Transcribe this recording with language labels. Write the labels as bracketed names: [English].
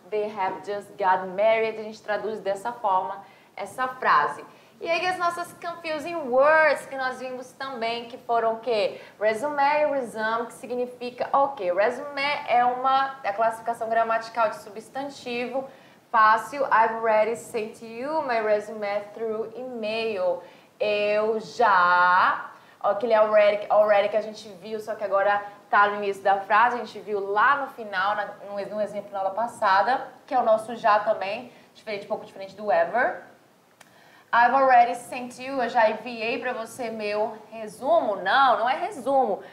[English] They have just got married. [Portuguese] A gente traduz dessa forma essa frase. E aí as nossas confusing words que nós vimos também, que foram o quê? Resumé e resume, que significa o quê? Resumé é a classificação gramatical de substantivo fácil. [English] I've already sent you my resume through email. [Portuguese] Eu já. Aquele already que a gente viu, só que agora tá no início da frase, a gente viu lá no final, no exemplo na aula passada, que é o nosso já também, diferente, um pouco diferente do ever. [English] I've already sent you, [Portuguese] eu já enviei para você meu resumo. Não, não é resumo.